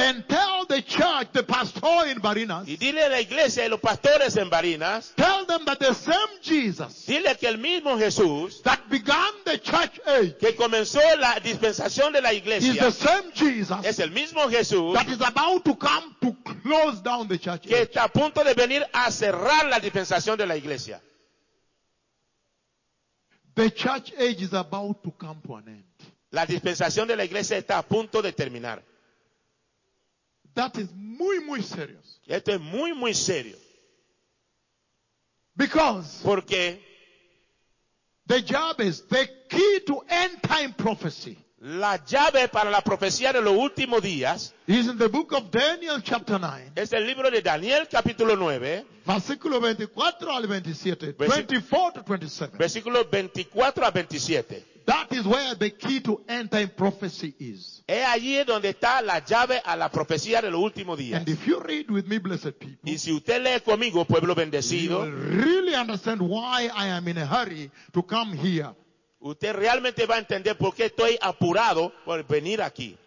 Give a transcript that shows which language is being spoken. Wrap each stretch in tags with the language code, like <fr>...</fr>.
<en>and tell the church, the pastor in Barinas,</en> <es>y dile a la iglesia y los pastores en Barinas,</es> <en>tell them that the same Jesus,</en> <es>dile que el mismo Jesús,</es> <en>that began the church age,</en> <es>que comenzó la dispensación de la iglesia,</es> <en>is the same Jesus,</en> <es>es el mismo Jesús,</es> <en>that is about to come to close down the church</en> <es>que</es> <en>age,</en> <es>está a punto de venir a cerrar la dispensación de la iglesia.</es> <en>The church age is about to come to an end.</en> <es>La dispensación de la iglesia está a punto de terminar.</es> <en>That is</en> <es>muy muy</es> <en>serious.</en> <es>Esto es muy muy serio.</es> <en>Because</en> <es>porque</es> <en>the job is the key to end time prophecy.</en> <es>La llave para la profecía de los últimos días</es> <en>is in the book of Daniel chapter 9.</en> <es>Es el libro de Daniel capítulo 9. Versículo 24 al 27.</es> <en>24 to 27.</en> <es>Versículo 24 a 27.</es> <en>That is where the key to end time prophecy is.</en> <es>Es allí donde está la llave a la profecía de los últimos días.</es> <en>And if you read with me, blessed people,</en> <es>y si usted lee conmigo, pueblo bendecido,</es> <en>you will really understand why I am in a hurry to come here.</en> <es>Usted realmente va a entender por qué estoy apurado por venir aquí.</es>